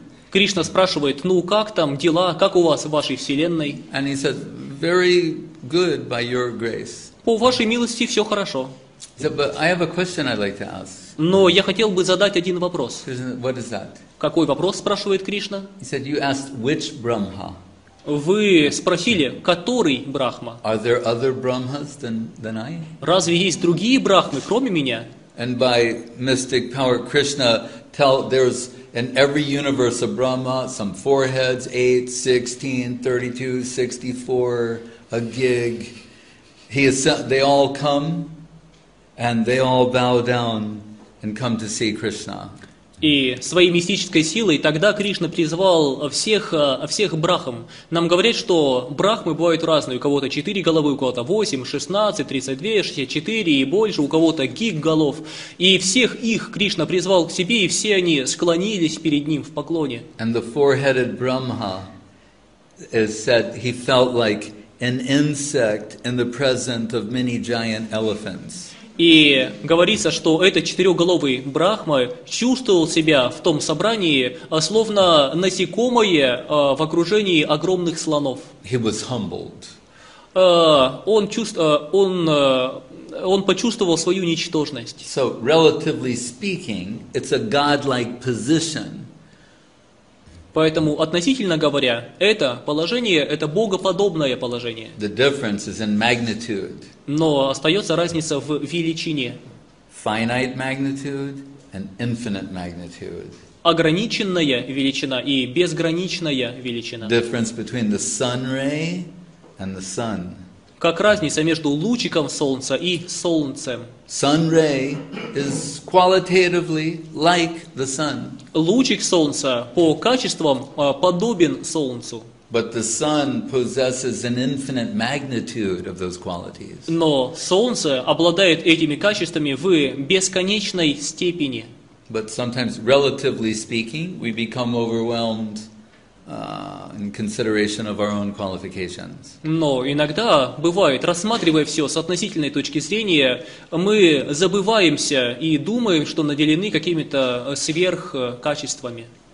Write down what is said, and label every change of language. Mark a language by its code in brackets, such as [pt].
[ru] Кришна спрашивает, ну как там дела, как у вас в вашей вселенной? [en] And he says, very good by your grace. [ru] По вашей милости все хорошо. [en] But I have a question I'd like to ask. [ru] Но я хотел бы задать один вопрос. [en] What is that? [ru] Какой вопрос, спрашивает Кришна? [en] He said, you asked which Brahma? [ru] Вы спросили, который Брахма? [en] Are there other Brahmas than I? [ru] Разве есть другие Брахмы, кроме меня? [en] And by mystic power, Krishna tells there's in every universe a Brahma, some four heads, 8, 16, 32, 64, a gig. They all come and they all bow down and come to see Krishna. [ru] И своей мистической силой тогда Кришна призвал всех брахм. Нам говорят, что брахмы бывают разные. У кого-то 4 головы, у кого-то 8, 16, 32, 64 и больше. У кого-то гиг голов. И всех их Кришна призвал к себе, и все они склонились перед ним в поклоне. [en] And the four-headed Brahma is said he felt like an insect in the presence of many giant elephants. [ru] И говорится, что этот четырехголовый Брахма чувствовал себя в том собрании, словно насекомое в окружении огромных слонов. [en] He was humbled. [ru] Он почувствовал свою ничтожность. [en] So, relatively speaking, it's a god-like position. [ru] Поэтому, относительно говоря, это положение, это богоподобное положение. [en] The difference is in magnitude. [ru] Но остается разница в величине. [en] Finite magnitude and infinite magnitude. [ru] Ограниченная величина и безграничная величина. [en] Difference between the sun ray and the sun. [ru] Как разница между лучиком солнца и солнцем. [en] Sun ray is qualitatively like the sun. [ru] Лучик солнца по качествам подобен солнцу. [en] But the sun possesses an infinite magnitude of those qualities. [ru] Но солнце обладает этими качествами в бесконечной степени. [en] But sometimes, relatively speaking, we become overwhelmed in consideration of our own qualifications. [ru] Но иногда бывает, рассматривая все с относительной точки зрения, мы забываемся и думаем, что наделены какими-то сверхкачествами.